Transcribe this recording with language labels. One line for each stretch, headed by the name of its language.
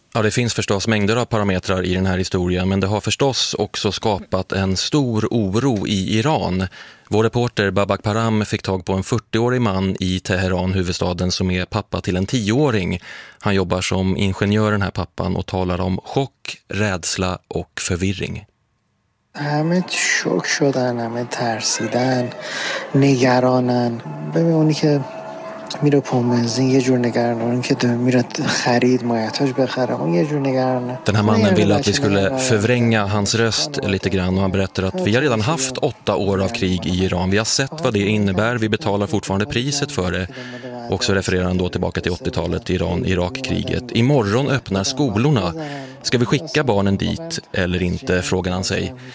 Swedish: Ja, det finns förstås mängder av parametrar i den här historien, men det har förstås också skapat en stor oro i Iran. Vår reporter Babak Param fick tag på en 40-årig man i Teheran, huvudstaden, som är pappa till en 10-åring. Han jobbar som ingenjör, den här pappan, och talar om chock, rädsla och förvirring.
Persian: همه شوک شدن، همه ترسیدن، نگرانن. ببین اونی که میره پمپ بنزین یه جور نگران، اون که دو میره خرید مایتاش بخره اون یه جور نگران.
Swedish: Den här mannen ville att vi skulle förvränga hans röst lite grann, och han berättar att vi har redan haft 8 år av krig i Iran. Vi har sett vad det innebär, vi betalar fortfarande priset för det. Och så refererar han då tillbaka till 80-talet, Iran-Irak-kriget. Imorgon öppnar skolorna. Ska vi skicka barnen dit eller inte, frågar han sig.